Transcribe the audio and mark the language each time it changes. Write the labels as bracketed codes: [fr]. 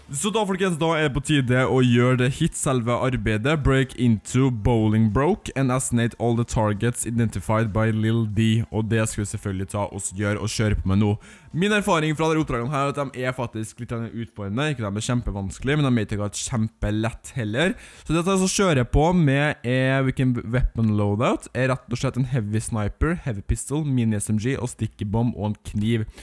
[no] Så da, folkens, da er det på tide å gjøre det hit selve arbeidet. [en] Break into Bowling Broke and assassinate all the targets identified by Lil D. [no] Og det skal vi selvfølgelig ta oss gjøre og kjøre på med nå. Min erfaring fra denne oppdragen her er at de er faktisk litt utfordrende. Ikke de er kjempevanskelige, men de er ikke kjempelett heller. Så det jeg skal kjøre på med er hvilken weapon loadout. Er rett og slett en heavy sniper, heavy pistol, mini SMG og sticky bomb og en kniv.